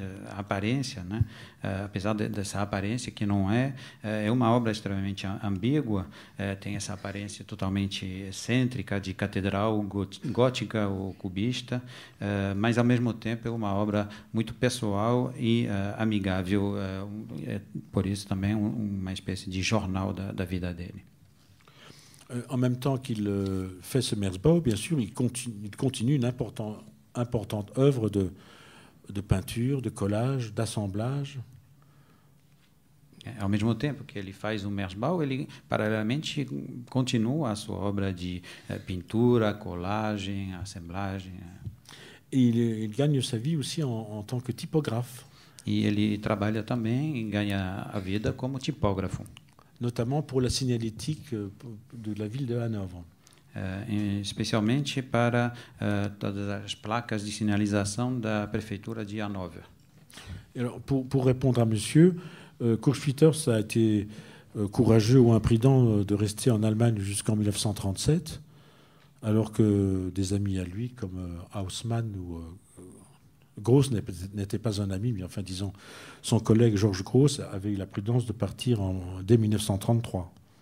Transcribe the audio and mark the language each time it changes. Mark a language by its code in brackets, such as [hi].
[pt] apesar dessa aparência que não é, é uma obra extremamente ambígua, tem essa aparência totalmente excêntrica de catedral gótica ou cubista, mas ao mesmo tempo é uma obra muito pessoal e amigável, é por isso também uma espécie de jornal da vida dele. [fr] En même temps qu'il fait ce Merzbau, bien sûr, il continue une importante œuvre de peinture, de collage, d'assemblage. [pt] Ao mesmo tempo que ele faz o Merzbau, ele paralelamente continua a sua obra de pintura, colagem, assemblagem. Ele ganha sua vida [fr] aussi en tant que typographe. [pt] E ele trabalha também e ganha a vida como tipógrafo. [fr] Notamment pour la signalétique de la ville de Hanovre. [pt] Especialmente para todas as placas de sinalização da prefeitura de Hanovre. [fr] Alors, pour répondre à monsieur, Kurzschwitters a été courageux ou imprudent de rester en Allemagne jusqu'en 1937, alors que des amis à lui, comme Haussmann ou Gross, n'étaient pas un ami, mais enfin, disons, son collègue Georges Gross avait eu la prudence de partir dès 1933.